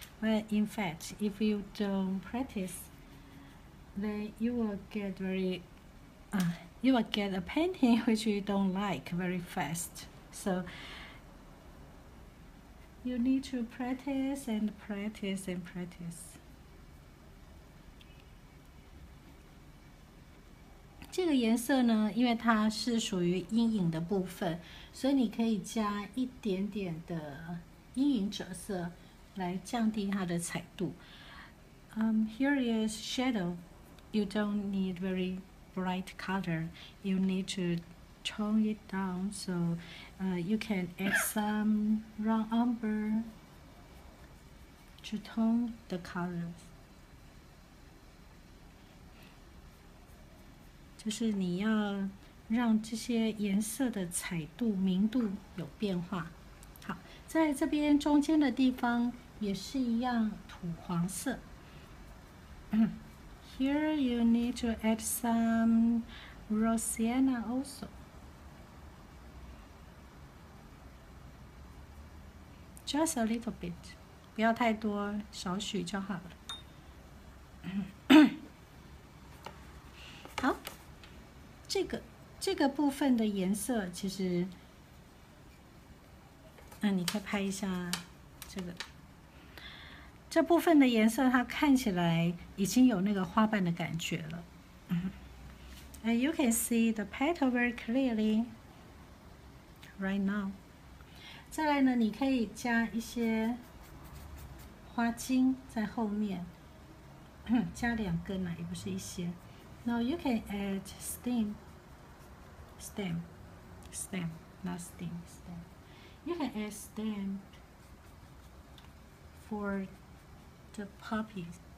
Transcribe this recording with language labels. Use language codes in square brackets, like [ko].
[en] But in fact, if you don't practice, then you will get a painting which you don't like very fast. So you need to practice and practice and practice. [zh] 这个颜色呢，因为它是属于阴影的部分，所以你可以加一点点的阴影折射来降低它的彩度。 [en] Here is shadow. You don't need very bright color. You need to tone it down. So, you can add some round umber to tone the colors. [zh] 就是你要让这些颜色的彩度明度有变化。好，在这边中间的地方也是一样，土黄色。 [en] Here you need to add some Rosanna also. Just a little bit, [zh] 不要太多，少许就好了。好。这个部分的颜色其实，你可以拍一下这个。这部分的颜色它看起来已经有那个花瓣的感觉了。 [en] And you can see the petal very clearly right now. [zh] 再来呢，你可以加一些花茎在后面，加两根呢，也不是一些。 [en] Now you can add stem. You can add stem for the poppies.